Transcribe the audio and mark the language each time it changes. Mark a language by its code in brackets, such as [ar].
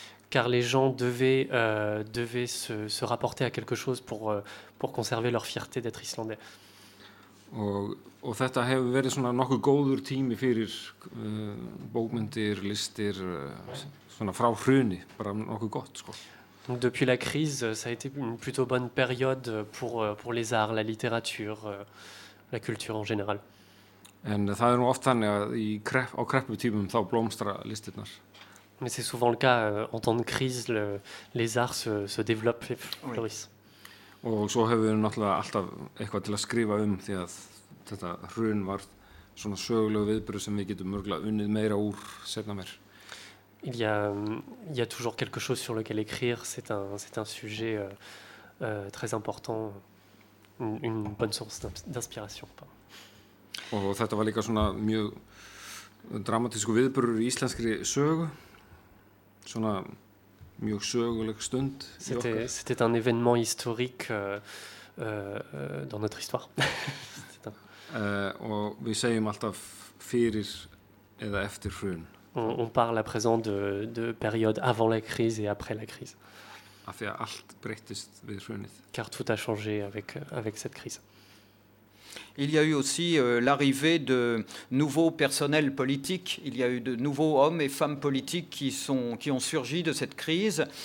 [fr] Car les gens devaient se rapporter à quelque chose pour conserver leur fierté d'être islandais. [is] Og þetta hefur verið svona nokkuð góður tími fyrir bókmyndir, listir, svona frá hruni, bara nokkuð gott, sko. [fr] Donc depuis la crise, ça a été une plutôt bonne période pour les arts, la littérature, la culture en général. [is] En það nú oft þannig að á krepputímum þá blómstra listirnar. [fr] Mais c'est souvent le cas, en temps de crise, les arts se développent et florissent. [is] Og svo hefur við náttúrulega alltaf eitthvað til að skrifa því að þetta hrun var svona sögulegu viðburður sem við getum mögulega unnið meira úr seinna meir. [fr] Il y a toujours quelque chose sur lequel écrire, c'est un sujet très important, une bonne source d'inspiration. [is] Og þetta var líka svona mjög dramatísku viðburður í íslenskri sögu, svona mjög söguleg stund. [fr] C'était un événement historique dans notre histoire. [is] Og við segjum alltaf fyrir eða eftir hrun. [fr] On parle à présent de période avant la crise et après la crise. [is] Af því að allt breyttist við hrunið. [fr] Car tout a changé avec cette crise. Il y a eu aussi l'arrivée de nouveaux personnels politiques. Il y a eu de nouveaux hommes et femmes politiques qui ont surgi de cette crise.